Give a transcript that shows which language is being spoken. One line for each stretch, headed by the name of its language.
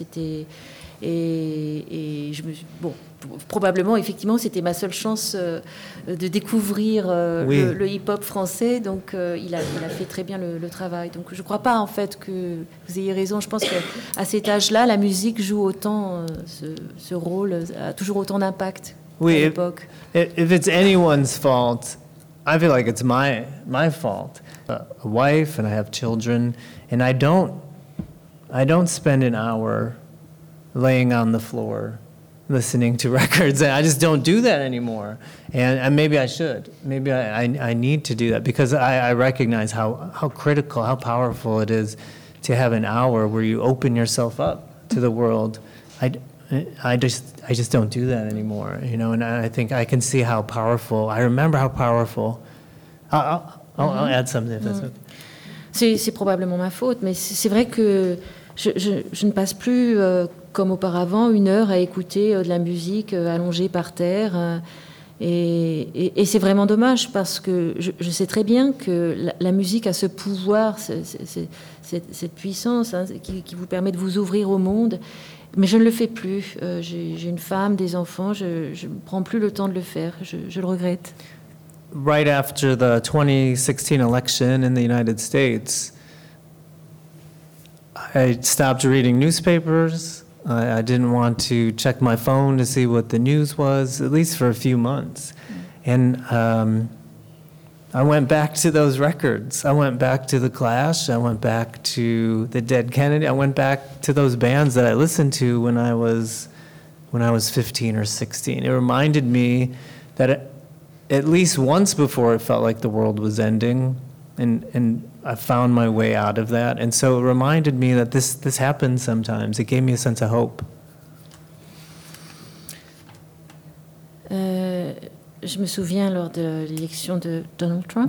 French: C'était, et je me suis... Bon. Probablement, effectivement, c'était ma seule chance de découvrir oui. le hip-hop français. Donc, il a fait très bien le travail. Donc, je ne crois pas, en fait, que vous ayez raison. Je pense qu'à cet âge-là, la musique joue autant ce rôle, a toujours autant d'impact oui, à l'époque.
English: If it's anyone's fault, I feel like it's my fault. A wife and I have children, and I don't spend an hour laying on the floor listening to records. I just don't do that anymore. And maybe I should. Maybe I need to do that because I recognize how critical, how powerful it is to have an hour where you open yourself up to the world. I just don't do that anymore, you know, and I think I can see how powerful, I remember how powerful. I'll add something if that's okay.
French: C'est probablement ma faute, mais c'est vrai que je ne passe plus comme auparavant une heure à écouter de la musique allongée par terre et c'est vraiment dommage parce que je sais très bien que la musique a ce pouvoir, cette puissance hein, qui vous permet de vous ouvrir au monde, mais je ne le fais plus. J'ai une femme, des enfants, je ne prends plus le temps de le faire, je le regrette.
English: Right after the 2016 election in the United States, I stopped reading newspapers. I didn't want to check my phone to see what the news was, at least for a few months. And I went back to those records. I went back to The Clash. I went back to the Dead Kennedy. I went back to those bands that I listened to when I was 15 or 16. It reminded me that at least once before it felt like the world was ending, and I found my way out of that. And so it reminded me that this happens sometimes. It gave me a sense of hope.
French: Je me souviens lors de l'élection de Donald Trump.